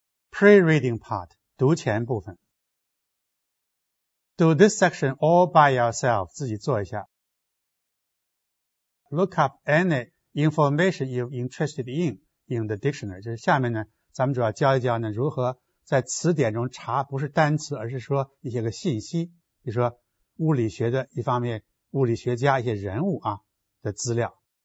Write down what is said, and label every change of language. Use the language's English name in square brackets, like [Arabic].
[English] Pre-reading part, [Chinese] 读前部分。 [English] Do this section all by yourself, [Chinese] 自己做一下。 [English] Look up any information you're interested in the dictionary. [Chinese] 就是下面呢，咱们主要教一教呢，如何在词典中查，不是单词，而是说一些个信息。比如说物理学的一方面，物理学家一些人物啊的资料。